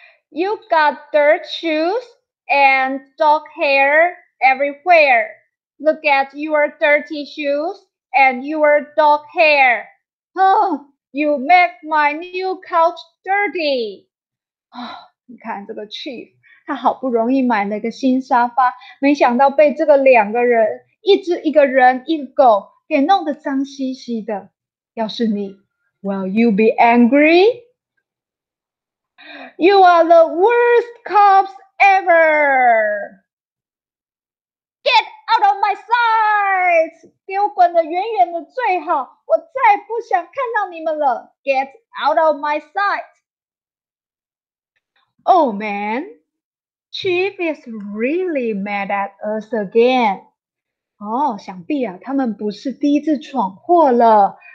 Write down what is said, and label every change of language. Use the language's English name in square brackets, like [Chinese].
[English] You got dirt shoes and dog hair everywhere. Look at your dirty shoes and your dog hair. Oh, you make my new couch dirty. [Chinese] 你看这个 chief, 他好不容易买了个新沙发，没想到被这个两个人，一只一个人一个狗给弄得脏兮兮的。要是你 [English] ，Will you be angry? You are the worst cops ever. Get out of my sight! [Chinese] 给我滚得远远的最好，我再不想看到你们了。 [English] Get out of my sight. Oh man, Chief is really mad at us again. [Chinese] 哦，想必啊，他们不是第一次闯祸了。